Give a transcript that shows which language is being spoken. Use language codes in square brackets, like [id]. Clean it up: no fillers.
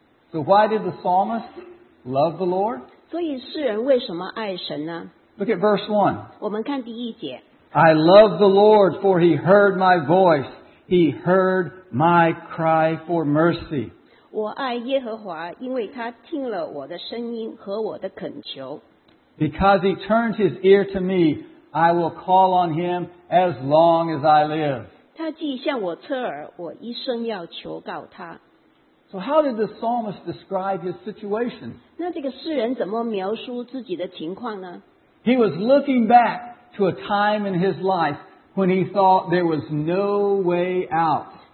[en] So why did the psalmist love the Lord? [zh] 所以诗人为什么爱神呢? [en] Look at verse 1. [zh] 我们看第一节。 [en] I love the Lord, for He heard my voice. He heard my cry for mercy. [zh] 我爱耶和华，因为他听了我的声音和我的恳求。 [en] Because He turned His ear to me, I will call on Him as long as I live. [zh] 他既向我侧耳，我一生要求告他。 [en] So how did the psalmist describe his situation? [zh] 那这个诗人怎么描述自己的情况呢? [en] He was looking back to a time in his life when he thought there was no way out.